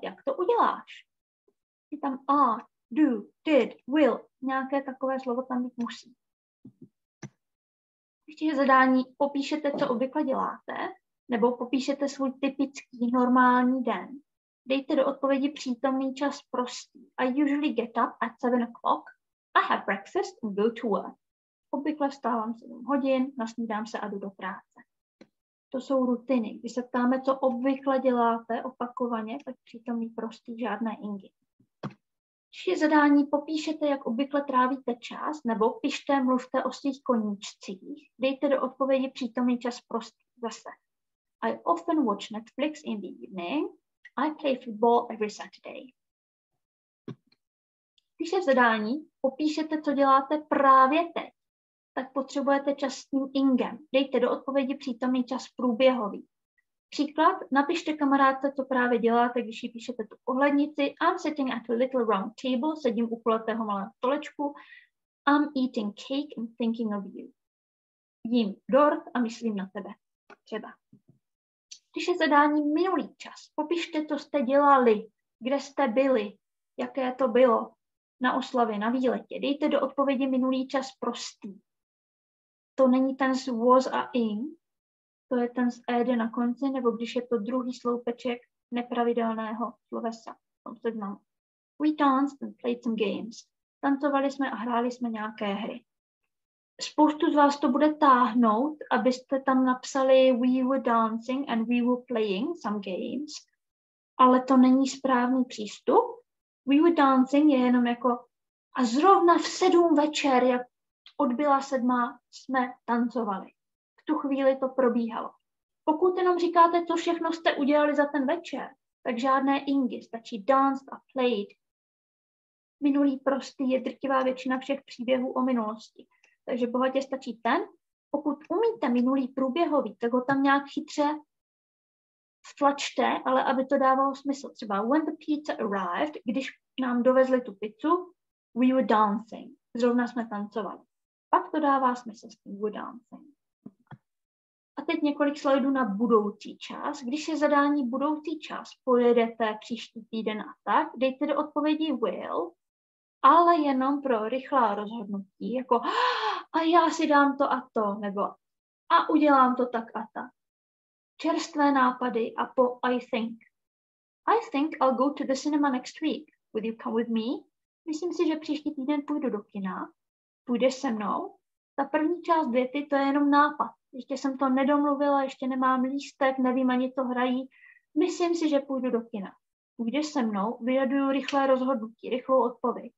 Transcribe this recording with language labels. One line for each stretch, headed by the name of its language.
Czech: Jak to uděláš? Je tam are, do, did, will. Nějaké takové slovo tam být musí. Ještě je zadání, popíšete, co obvykle děláte, nebo popíšete svůj typický normální den. Dejte do odpovědi přítomný čas prostý.
English: I usually get up at 7 o'clock, I have breakfast and go to work.
Czech: Obvykle vstávám 7 hodin, nasnídám se a jdu do práce. To jsou rutiny. Když se ptáme, co obvykle děláte opakovaně, tak přítomný prostý, žádné ingy. Ještě je zadání, popíšete, jak obvykle trávíte čas, nebo pište, mluvte o svých koníčcích. Dejte do odpovědi přítomný čas prostě zase.
English: I often watch Netflix in the evening. I play football every Saturday.
Czech: Když je v zadání, popíšete, co děláte právě teď, tak potřebujete čas s tím ingem. Dejte do odpovědi přítomný čas průběhový. Příklad, napište kamarádce, co právě děláte, když jí píšete tu ohlednici.
English: I'm sitting at a little round table,
Czech: sedím u kulatého malého stolečku.
English: I'm eating cake and thinking of you.
Czech: Jím dort a myslím na tebe. Třeba. Píše zadání minulý čas. Popište, co jste dělali, kde jste byli, jaké to bylo na oslavě, na výletě. Dejte do odpovědi minulý čas prostý. To není ten z was a in, to je ten z ed na konci, nebo když je to druhý sloupeček nepravidelného slovesa.
English: We danced and played some games.
Czech: Tancovali jsme a hráli jsme nějaké hry. Spoustu z vás to bude táhnout, abyste tam napsali
English: we were dancing and we were playing some games,
Czech: ale to není správný přístup.
English: We were dancing
Czech: je jenom jako a zrovna v 7 večer, jak odbyla 7, jsme tancovali. V tu chvíli to probíhalo. Pokud jenom říkáte, co všechno jste udělali za ten večer, tak žádné ingy, stačí danced a played. Minulý prostý je drtivá většina všech příběhů o minulosti. Takže bohatě stačí ten. Pokud umíte minulý průběhový, tak ho tam nějak chytře vtlačte, ale aby to dávalo smysl.
English: Třeba when the pizza arrived,
Czech: když nám dovezli tu pizzu,
English: we were dancing.
Czech: Zrovna jsme tancovali. Pak to dává smysl s tím
English: we were dancing.
Czech: A teď několik slidů na budoucí čas. Když je zadání budoucí čas, pojedete příští týden a tak, dejte do odpovědi will, ale jenom pro rychlá rozhodnutí, jako a já si dám to a to, nebo a udělám to tak a tak. Čerstvé nápady a po
English: I think I'll go to the cinema next week. Will you come with me?
Czech: Myslím si, že příští týden půjdu do kina. Půjdeš se mnou? Ta první část věty, to je jenom nápad. Ještě jsem to nedomluvila, ještě nemám lístek, nevím, ani to hrají. Myslím si, že půjdu do kina. Půjdeš se mnou, vyjaduju rychlé rozhodnutí, rychlou odpověď.